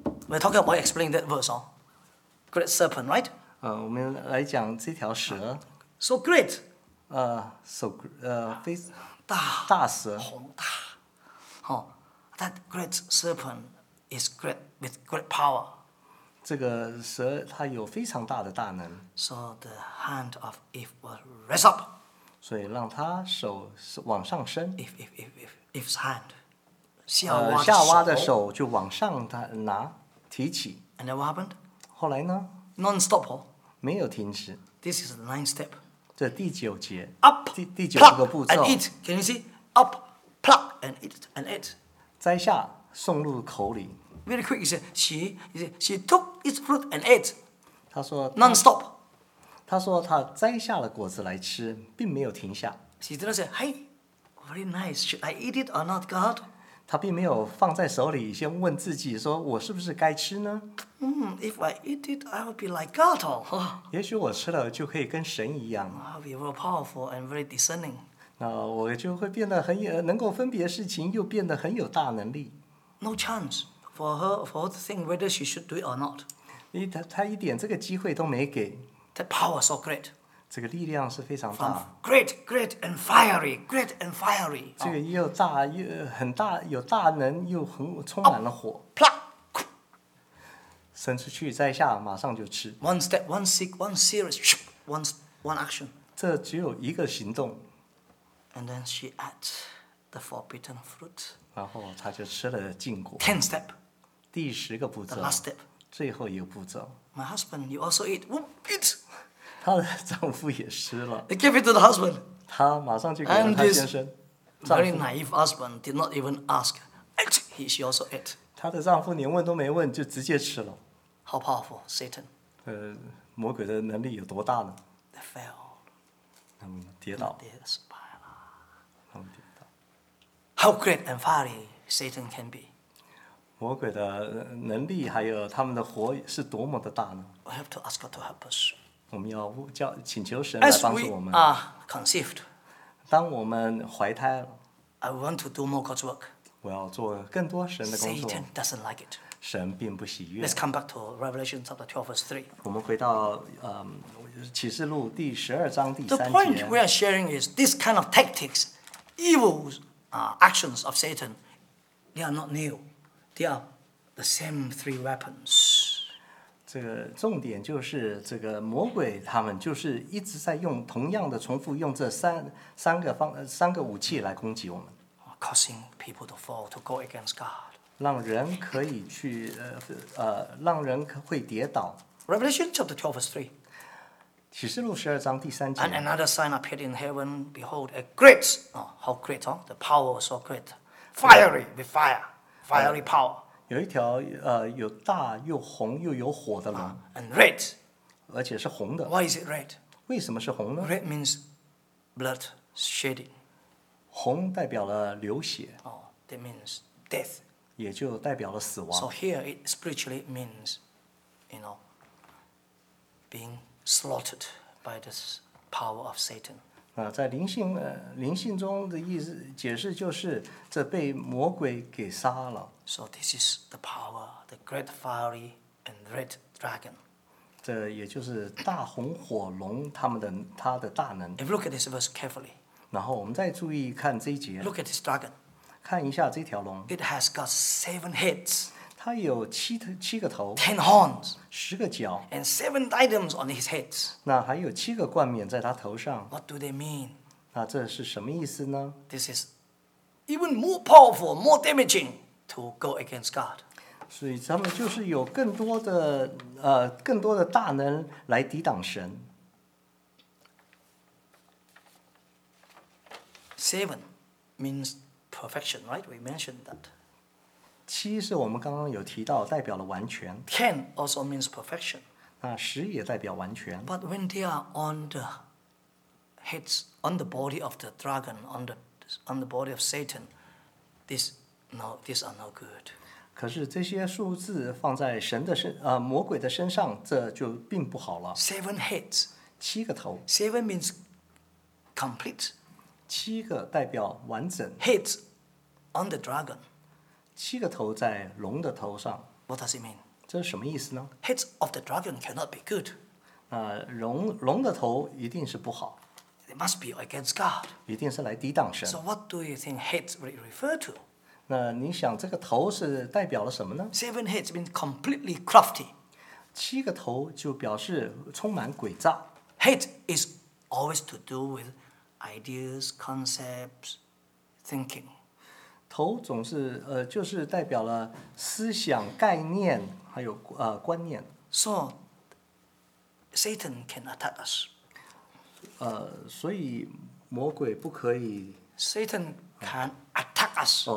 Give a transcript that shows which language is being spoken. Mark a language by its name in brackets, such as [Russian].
[English] We're talking about explaining that verse, Great serpent, right? [Chinese] 我们来讲这条蛇。 [English] So great. [Chinese] So 大蛇。宏大。 [English] Oh, that great serpent is great with great power. [Chinese] 这个蛇它有非常大的大能。 [English] So the hand of Eve was raised up. [Chinese] 所以让他手往上伸。 [English] Eve's hand. [Chinese] 夏娃的手就往上拿提起。 [English] And then what happened? [Chinese] 后来呢 [English] ?Non-stop. [Chinese] 没有停止。 [English] This is the ninth step. [Chinese] 这第九节。 [English] Up. [Chinese] 第九个步骤。 [English] And eat. Can you see? Up. Pluck. And eat. And eat. [Chinese] 摘下，送入口里。 [English] Very quick. She took its fruit and ate. [Chinese] 她说。 [English] Non-stop. [Chinese] 她说她摘下了果子来吃，并没有停下。 [English] She didn't say, "Hey, very nice. Should I eat it or not, God?" [Chinese] 她并没有放在手里，先问自己说：“我是不是该吃呢？” [English] If I eat it, I will be like God. [Chinese] 也许我吃了就可以跟神一样。 [English] I'll be very powerful and very discerning. [Chinese] 那我就会变得很有能够分别事情，又变得很有大能力。 [English] No chance for her to think whether she should do it or not. [Chinese] 她一点这个机会都没给。 [English] The power is so great. [Chinese] 这个力量是非常大。 [English] Great and fiery. [Chinese] 这个又大又很大，有大能又很充满了火。伸出去摘下马上就吃 [English] one step one seek one series one action [Chinese] 这只有一个行动 [English] and then she ate the forbidden fruit [Chinese] 然后她就吃了禁果 [English] 10 step [Chinese] 第十个步骤 [English] the last step [Chinese] 最后一个步骤 [English] my husband you also eat whoop it [Chinese] 她的丈夫也吃了 [English] they gave it to the husband [Chinese] 她马上就给了她先生 [English] and this very naive husband did not even ask she also ate [Chinese] 她的丈夫连问都没问就直接吃了。 [English] How powerful, Satan. [Chinese] 魔鬼的能力有多大呢 [English] ？They fell. [Chinese] 他们跌倒。 [English] They spy 了。 [Chinese] 他们跌倒。 [English] How great and fiery Satan can be. [Chinese] 魔鬼的能力还有他们的火是多么的大呢 [English] ？We have to ask God to help us. [Chinese] 我们要请求神来帮助我们。 [English] As we are conceived. [Chinese] 当我们怀胎了。 [English] I want to do more God's work. [Chinese] 我要做更多神的工作。 [English] Satan doesn't like it. [Chinese] 神并不喜悦。 [English] Let's come back to Revelation chapter 12, verse 3. [Chinese] 我们回到启示录第十二章第三节。 [English] The point we are sharing is this kind of tactics, evils, actions of Satan, they are not new. They are the same three weapons. [Chinese] 这个重点就是这个魔鬼他们就是一直在用同样的重复用这 三个武器来攻击我们。 [English] Causing people to fall, to go against God. [Chinese] 让人可以去让人会跌倒。 [English] Revelation chapter 12 verse 3. [Chinese] 启示录十二章第三节。 [English] And another sign appeared in heaven. Behold, a great, how great, huh? The power was so great, fiery with fire, fiery power. [Chinese] 有一条有大又红又有火的龙。 [English] And red, [Chinese] 而且是红的。 [English] Why is it red? [Chinese] 为什么是红呢 [English] ？Red means blood shedding. [Chinese] 红代表了流血。 [English] That means death. [Chinese] 也就代表了死亡。 [English] So here it spiritually means, you know, being. Slaughtered by the power of Satan. [Chinese] 那在灵性中的意思解释就是这被魔鬼给杀了。 [English] So this is the power, the great fiery and red dragon. [Chinese] 这也就是大红火龙他的大能。 [English] If you look at this verse carefully, [Chinese] 然后我们再注意看这一节。 [English] Look at this dragon. [Chinese] 看一下这条龙。 [English] It has got 7 heads. [Chinese] 它有七个头 [English] ，10 horns， [Chinese] 十个角 [English] ，and 7 diadems on his head。 [Chinese] 那还有七个冠冕在他头上。 [English] What do they mean？ [Chinese] 那这是什么意思呢 [English] ？This is even more powerful, more damaging to go against God。 [Chinese] 所以他们就是有更多的大能来抵挡神。 [English] 7 means perfection, right? We mentioned that. [Chinese] 七是我们刚刚有提到代表了完全。 [English] 10 also means perfection. [Chinese] 那十也代表完全。 [English] But when they are on the heads, on the body of the dragon, on the body of Satan, these are no good. [Chinese] 可是这些数字放在神的身，魔鬼的身上，这就并不好了。 [English] 7 heads. [Chinese] 七个头。 [English] 7 means complete. [Chinese] 七个代表完整。 [English] Heads on the dragon. [Chinese] 七个头在龙的头上。 [English] What does it mean? [Chinese] 这是什么意思呢 [English] ？Heads of the dragon cannot be good. [Chinese] 龙的头一定是不好。 [English] It must be against God. [Chinese] 一定是来抵挡神。 [English] So what do you think heads refer to? [Chinese] 那你想这个头是代表了什么呢 [English] ？7 heads means completely crafty. [Chinese] 七个头就表示充满诡诈。 [English] Head is always to do with ideas, concepts, thinking. [Chinese] 头总是就是代表了思想概念还有观念。 [English] So Satan can attack us. [Chinese] 所以魔鬼不可以。 [English] Satan can attack us.